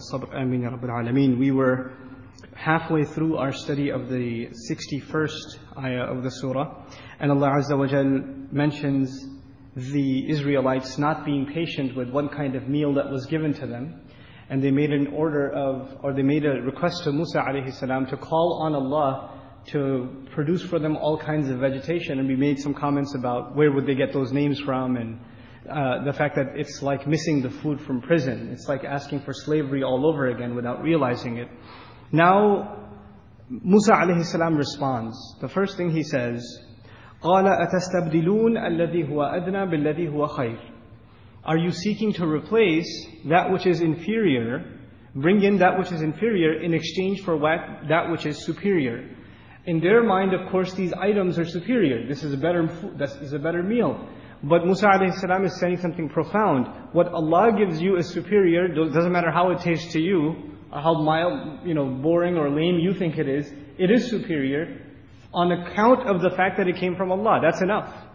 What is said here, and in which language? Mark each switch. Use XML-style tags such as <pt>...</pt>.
<en>We were halfway through our study of the 61st ayah of the surah, and Allah Azza wa Jal mentions the Israelites not being patient with one kind of meal that was given to them, and they made an order of, or they made a request to Musa alayhi salam to call on Allah to produce for them all kinds of vegetation, and we made some comments about where would they get those names from, and the fact that it's like missing the food from prison. It's like asking for slavery all over again without realizing it. Now, Musa alayhi salam responds.</en> <ar>The first thing he says, قَالَ أَتَسْتَبْدِلُونَ الَّذِي هُوَ أَدْنَى بِالَّذِي هُوَ خَيْرٍ.</ar> <en>Are you seeking to replace that which is inferior? Bring in that which is inferior in exchange for what? That which is superior. In their mind, of course, these items are superior. This is a better food, this is a better meal. But Musa alayhi salam is saying something profound. What Allah gives you is superior, doesn't matter how it tastes to you, or how mild, you know, boring or lame you think it is superior on account of the fact that it came from Allah. That's enough.</en>